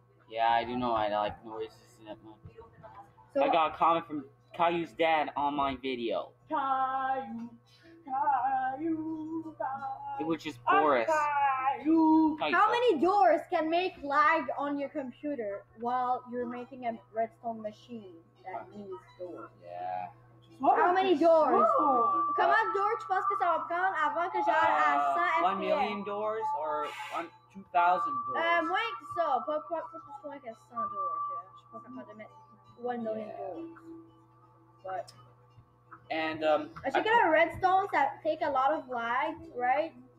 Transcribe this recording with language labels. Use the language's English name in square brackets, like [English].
[English] Yeah, I do know I like noise. So, I got a comment from Caillou's dad on my video. Caillou. Which is Boris. How many doors can make lag on your computer while you're making a redstone machine that needs doors? Yeah. How many doors? Come on, [French] George, plus que ça va prendre avant que j'aille à 100 FPS. [English] 1 million doors or 2,000 doors? [French] Moins que ça, pas plus que 100 doors. Je suis pas capable de mettre 1 million doors. [English] But. And, As you get a redstone that take a lot of lag, right?